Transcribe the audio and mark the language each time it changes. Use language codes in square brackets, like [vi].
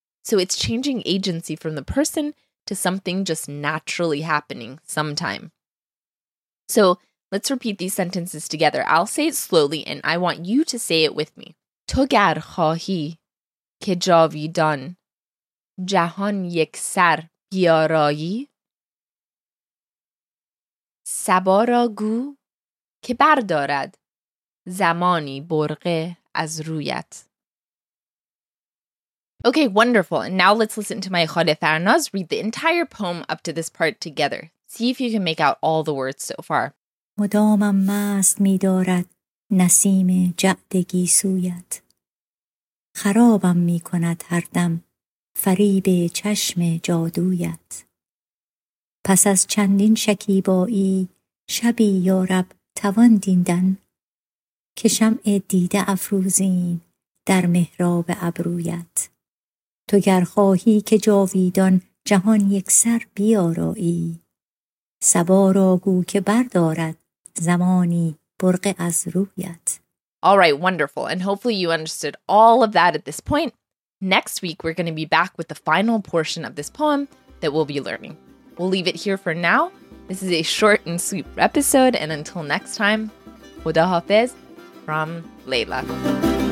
[en] So it's changing agency from the person to something just naturally happening sometime. So let's repeat these sentences together. I'll say it slowly and I want you to say it with me. [fa] Togar khahi ke javidan جهان یکسر بیارایی؟ سبا را گو که بردارد زمانی برقه از رویت. [en] Okay, wonderful. And now let's listen to my Khale Farnaz read the entire poem up to this part together. See if you can make out all the words so far. [fa] مدامم مست می دارد نسیم جعدگی سویت. خرابم می کند هر دم فریب چشم جادویت. پس از چندین شکیبایی شبی یارب توان دیدن که شمع دیده افروزیم در محراب ابرویت. تو گر خواهی که جاویدان جهان یک سر بیارایی، سبا را گو که بردارد زمانی برق از رویت. [en] All right, wonderful. And hopefully you understood all of that at this point. Next week, we're going to be back with the final portion of this poem that we'll be learning. We'll leave it here for now. This is a short and sweet episode. And until next time, khuda hafiz from Layla.